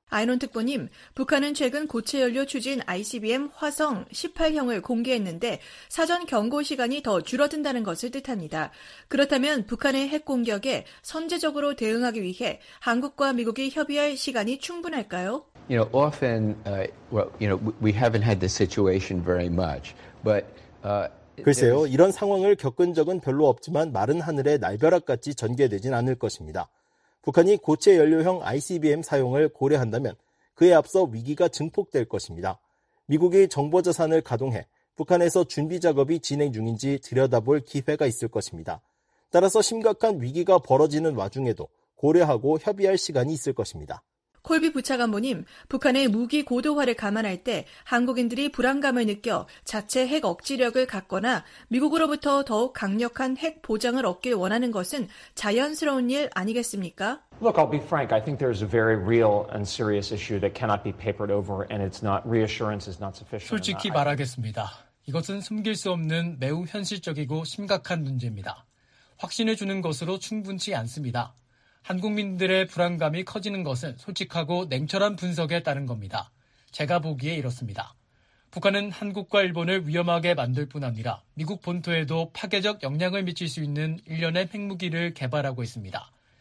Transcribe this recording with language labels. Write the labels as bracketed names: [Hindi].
[Korean] 아이론 특보님, 북한은 최근 고체 연료 추진 ICBM 화성 18형을 공개했는데 사전 경고 시간이 더 줄어든다는 것을 뜻합니다. 그렇다면 북한의 핵 공격에 선제적으로 대응하기 위해 한국과 미국이 협의할 시간이 충분할까요? [English] You know, often, we haven't had this situation very much, but [Korean] 글쎄요, 이런 상황을 겪은 적은 별로 없지만 마른 하늘에 날벼락같이 전개되진 않을 것입니다. 북한이 고체 연료형 ICBM 사용을 고려한다면 그에 앞서 위기가 증폭될 것입니다. 미국이 정보자산을 가동해 북한에서 준비 작업이 진행 중인지 들여다볼 기회가 있을 것입니다. 따라서 심각한 위기가 벌어지는 와중에도 고려하고 협의할 시간이 있을 것입니다. 콜비 부차관보님, 북한의 무기 고도화를 감안할 때 한국인들이 불안감을 느껴 자체 핵 억지력을 갖거나 미국으로부터 더욱 강력한 핵 보장을 얻길 원하는 것은 자연스러운 일 아니겠습니까? [English] Look, I'll be frank. I think there is a very real and serious issue that cannot be papered over, and it's not reassurance is not sufficient. [Korean] 솔직히 말하겠습니다. 이것은 숨길 수 없는 매우 현실적이고 심각한 문제입니다. 확신을 주는 것으로 충분치 않습니다. 한국민들의 불안감이 커지는 것은 솔직하고 냉철한 분석에 따른 겁니다. 제가 보기에 이렇습니다. 북한은 한국과 일본을 위험하게 만들 뿐 아니라 미국 본토에도 파괴적 영향을 미칠 수 있는 일련의 핵무기를 개발하고 있습니다.